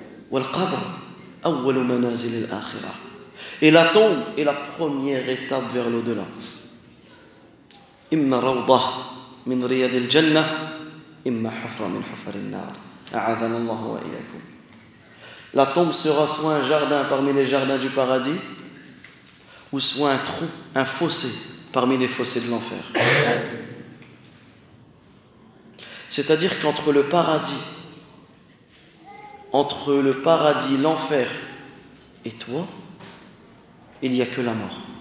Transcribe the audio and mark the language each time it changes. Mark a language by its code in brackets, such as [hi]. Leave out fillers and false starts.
[ar] والقبر أول منازل الآخرة. [fr] Et la tombe est la première étape vers l'au-delà. [ar] إما روضة من رياض الجنة إما حفرة من حفر النار أعاذنا الله وإياكم. [fr] La tombe sera soit un jardin parmi les jardins du paradis, ou soit un trou, un fossé parmi les fossés de l'enfer. C'est-à-dire qu'entre le paradis, l'enfer et toi, il n'y a que la mort.